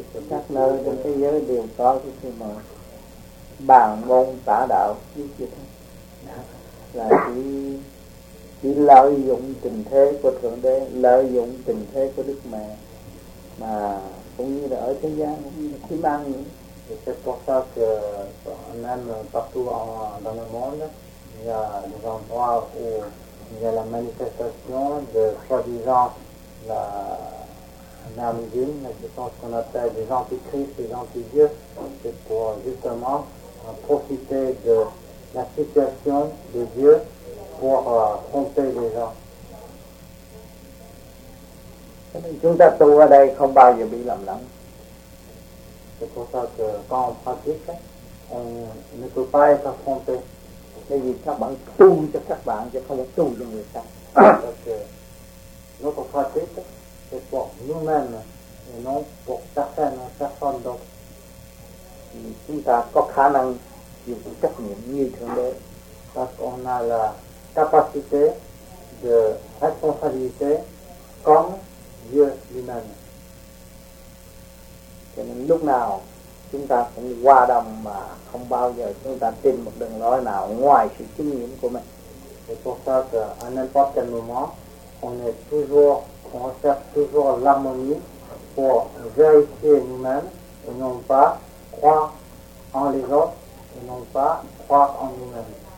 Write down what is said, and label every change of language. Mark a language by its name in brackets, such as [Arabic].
[Vietnamese] các nơi trên thế giới đều có cái gì mà bàn môn tả đạo chứ chưa thôi. Là chỉ lợi dụng tình thế của Thượng Đế, lợi dụng tình thế của Đức Mẹ, mà cũng như là ở thế gian cũng như kiếm ăn. [French] C'est pour ça que même partout dans le monde, il y a des endroits où il y a la manifestation de soi-disant la mère divine, qui sont ce qu'on appelle des antichrists, des antidieux. C'est pour justement profiter de la situation de Dieu pour tromper les gens. [Vietnamese] Chúng ta tu ở đây không bao giờ bị lầm lẫn. [French] C'est pour ça que quand on pratique, on ne peut pas être trompé. [Vietnamese] Bởi vì các bạn tu cho các bạn, chứ không phải tu cho người ta. [French] Notre pratique, c'est pour nous-mêmes, et non pour certaines personnes d'autres. [Vietnamese] Chúng ta có khả năng chịu trách nhiệm như Thượng Đế. [French] Parce qu'on a la capacité de responsabilité comme Dieu lui-même. [Vietnamese] Cho nên lúc nào chúng ta cũng qua đầm mà không bao giờ chúng ta tin một đường lối nào ngoài sự chứng nghiệm của mình. [French] C'est pour ça que à n'importe quel moment, on est toujours, on recherche toujours l'harmonie pour vérifier nous-mêmes et non pas croire en les autres et non pas croire en nous-mêmes.